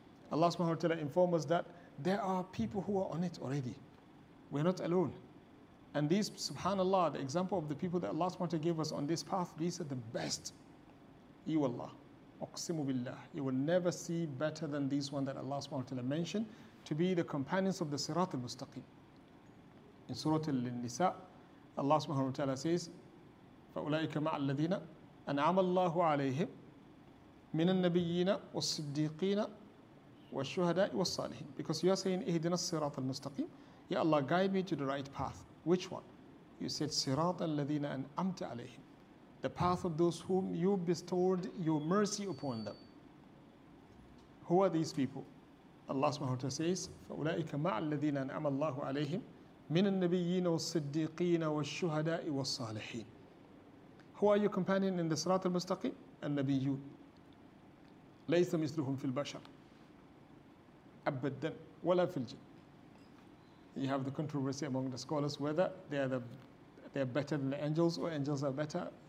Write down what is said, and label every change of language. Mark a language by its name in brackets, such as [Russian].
[English] Allah subhanahu wa ta'ala informs us that there are people who are on it already. We're not alone. And these, subhanAllah, the example of the people that Allah SWT gave us on this path, these are the best. You Allah, [Arabic] أقسم بالله. [English] You will never see better than these one that Allah SWT mentioned to be the companions of the Sirat al-Mustaqim. In Surah Al-Nisa, Allah SWT says, [Arabic] فَأُولَٰئِكَ مَعَ الَّذِينَ أَنْعَمَ اللَّهُ عَلَيْهِمْ مِنَ النَّبِيِّينَ وَالصِّدِّيقِينَ وَالشُّهَدَاءِ وَالصَّالِحِينَ. [English] Because you are saying, [Arabic] اِهْدِنَا الصِّرَاط الْمُسْتَقِيمِ. [English] Ya Allah, guide me to the right path. Which one? You said, [Arabic] Sirat al-Ladina and Amta alayhim. [English] The path of those whom you bestowed your mercy upon them. Who are these people? [Arabic] Allah subhanahu wa ta'ala says, فَأُولَٰئِكَ مَعَ الَّذِينَ أَنْعَمَ اللَّهُ عَلَيْهِمْ مِنَ النَّبِيِّينَ وَالصِّدِّيقِينَ وَالشُّهَدَاءِ وَالصَّالِحِينَ. [English] Who are your companion in the Sirat al-Mustaqim? [Arabic] النَّبِيُّ. لَيْسَ مِثْلُهُمْ فِي الْبَشَرِ أَبَدًا وَلَا فِي الْجِنِّ. [English] You have the controversy among the scholars whether they're better than the angels or angels are better.